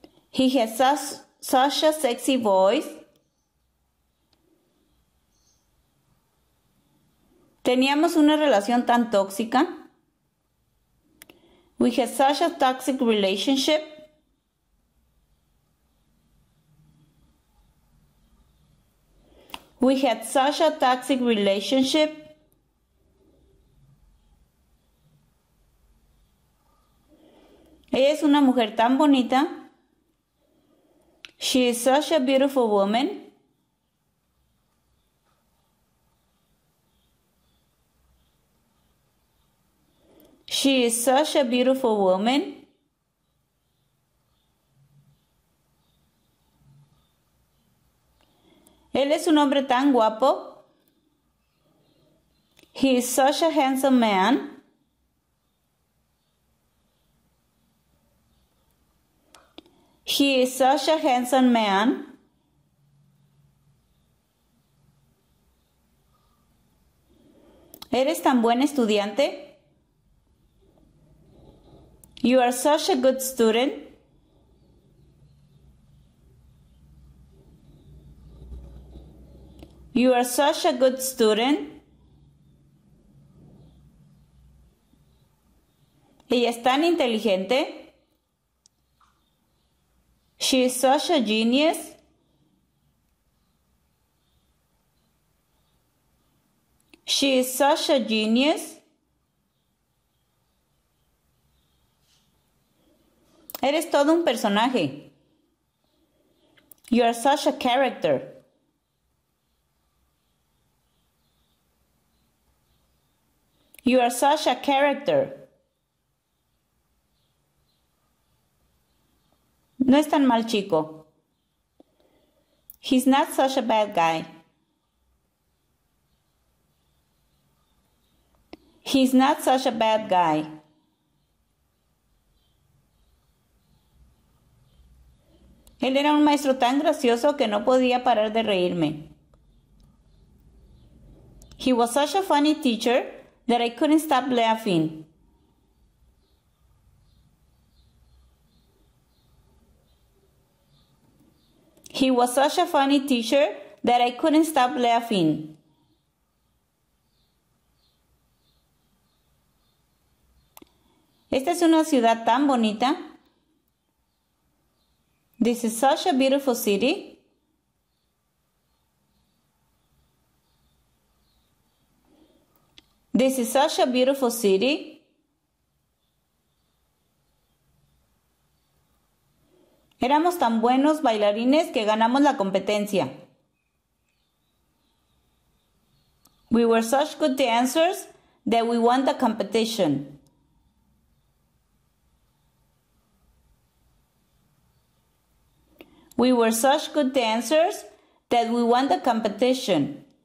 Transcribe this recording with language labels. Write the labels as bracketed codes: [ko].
[en] He has such a sexy voice. [es] Teníamos una relación tan tóxica. [en] We had such a toxic relationship. We had such a toxic relationship. [es] Ella es una mujer tan bonita. [en] She is such a beautiful woman. She is such a beautiful woman. [es] Él es un hombre tan guapo. [en] He is such a handsome man. He is such a handsome man. [es] Eres tan buen estudiante. [en] You are such a good student. You are such a good student. [es] Ella es tan inteligente. [en] She is such a genius. She is such a genius. [es] Eres todo un personaje. [en] You are such a character. You are such a character. [es] No es tan mal chico. [en] He's not such a bad guy. He's not such a bad guy. [es] Él era un maestro tan gracioso que no podía parar de reírme. [en] He was such a funny teacher that I couldn't stop laughing. He was such a funny teacher that I couldn't stop laughing. [es] Esta es una ciudad tan bonita. [en] This is such a beautiful city. This is such a beautiful city. [es] Éramos tan buenos bailarines que ganamos la competencia. [en] We were such good dancers that we won the competition. We were such good dancers that we won the competition.